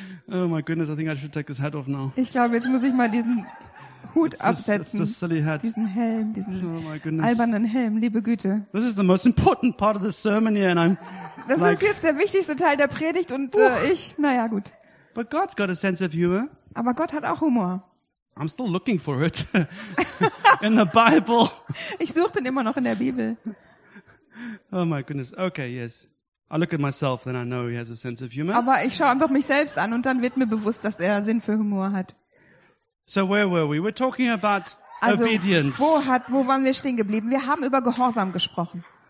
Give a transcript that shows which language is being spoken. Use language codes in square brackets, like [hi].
[en] Oh my goodness, I think I should take this hat off now. [de] Ich glaube, jetzt muss ich mal diesen Hut absetzen. [en] It's the silly hat. [de] Diesen Helm, diesen albernen Helm, liebe Güte. [en] This is the most important part of the sermon here and I'm [de] Das ist jetzt der wichtigste Teil der Predigt und ich, naja, gut. [en] But God's got a sense of humor. [de] Aber Gott hat auch Humor. [en] I'm still looking for it in the Bible. [de] Ich suche den immer noch in der Bibel. [en] Oh my goodness. Okay, yes. I look at myself, then I know he has a sense of humor. [de] Aber ich schaue einfach mich selbst an und dann wird mir bewusst, dass er Sinn für Humor hat. [en] So where were we? We're talking about obedience. [de] Also wo waren wir stehen geblieben? Wir haben über Gehorsam gesprochen.